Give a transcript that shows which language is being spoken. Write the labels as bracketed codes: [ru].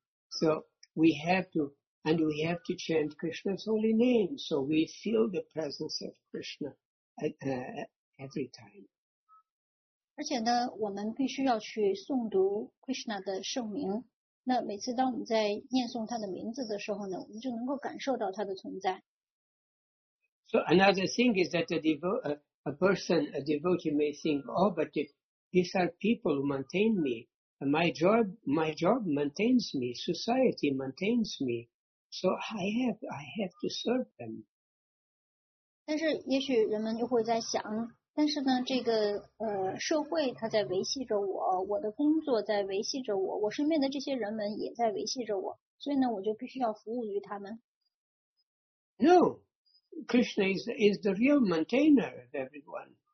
[en] So we have to, and we have to chant Krishna's holy name, so we feel the presence of Krishna every time. [zh] 而且呢，我们必须要去诵读 Krishna 的圣名。那每次当我们在念诵他的名字的时候呢，我们就能够感受到他的存在。 [en] So another thing is that a devotee may think, oh, but if these are people who maintain me, my job maintains me, society maintains me, so I have to serve them. [zh] 但是也许人们就会在想，但是呢，这个社会它在维系着我，我的工作在维系着我，我身边的这些人们也在维系着我，所以呢，我就必须要服务于他们。 [en] No, Krishna is the real maintainer of everyone.